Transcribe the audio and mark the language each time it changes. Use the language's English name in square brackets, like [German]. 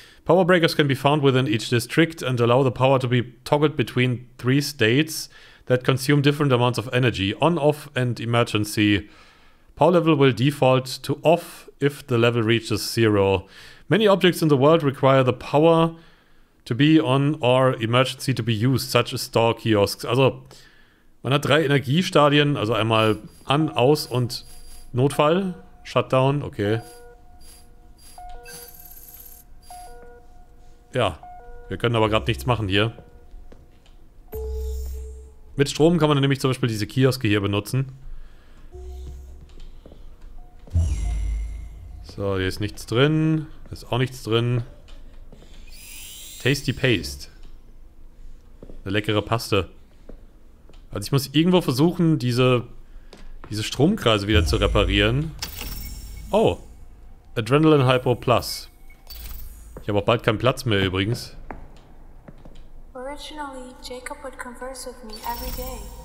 [English] Power Breakers can be found within each district and allow the power to be toggled between three states that consume different amounts of energy, on, off and emergency. Power level will default to off if the level reaches zero. Many objects in the world require the power to be on or emergency to be used, such as store kiosks. [German] Also, man hat drei Energiestadien, also einmal an, aus und Notfall, Shutdown, okay. Ja, wir können aber gerade nichts machen hier. Mit Strom kann man nämlich zum Beispiel diese Kioske hier benutzen. So, hier ist nichts drin, ist auch nichts drin. [English] Tasty Paste. [German] Eine leckere Paste. Also ich muss irgendwo versuchen, diese Stromkreise wieder zu reparieren. Oh. Adrenaline Hypo Plus. Ich habe auch bald keinen Platz mehr übrigens. [English] Originally, Jacob would converse with me every day.